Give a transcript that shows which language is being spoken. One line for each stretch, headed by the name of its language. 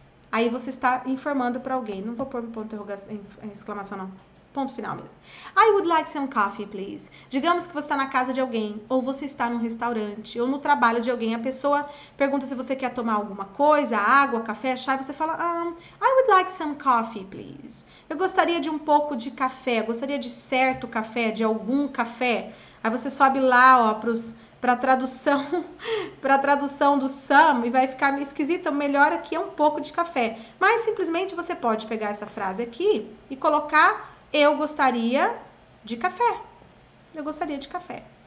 Portuguese: Aí você está informando para alguém. Não vou pôr um ponto de exclamação, não. Ponto final mesmo.
English: I would like some coffee, please.
Portuguese: Digamos que você está na casa de alguém, ou você está num restaurante, ou no trabalho de alguém. A pessoa pergunta se você quer tomar alguma coisa, água, café, chá. E você fala,
English: I would like some coffee, please.
Portuguese: Eu gostaria de um pouco de café. Gostaria de certo café, de algum café. Aí você sobe lá, ó, para a tradução do some e vai ficar meio esquisito. O melhor aqui é um pouco de café. Mas simplesmente você pode pegar essa frase aqui e colocar. Eu gostaria de café. Eu gostaria de café.